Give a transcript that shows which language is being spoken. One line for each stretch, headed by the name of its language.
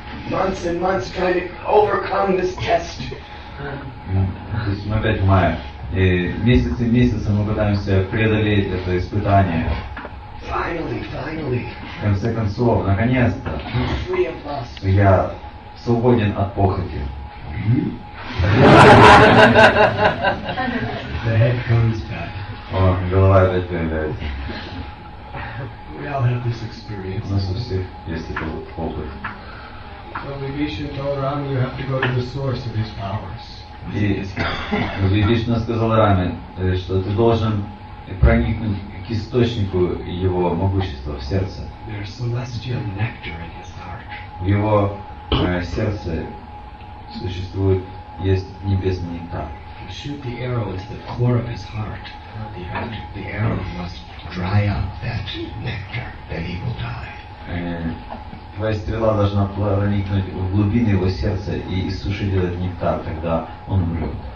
English: Months and months trying to overcome this test.
Russian: Опять мая. Месяцы и месяцы мы пытаемся преодолеть это испытание.
English: Finally.
Russian: В конце концов, наконец-то. Я свободен от похоти.
English: The head comes back.
Russian: Oh, голова опять появляется.
English: We all have this experience.
Russian: У нас у всех есть этот опыт.
English: So Vibhishan told Rama, you have to go to the source of his powers.
Russian: И Vibhishan сказал Раме, что ты должен проникнуть к источнику его могущества в сердце.
English: There's celestial nectar in his heart.
Russian: В его сердце существует. Есть небесный нектар.
English: Shoot the arrow into the core of his heart. The arrow must dry up that nectar, then he will die.
Russian: Твоя стрела должна проникнуть в глубины его сердца и иссушить этот нектар, тогда он умрет.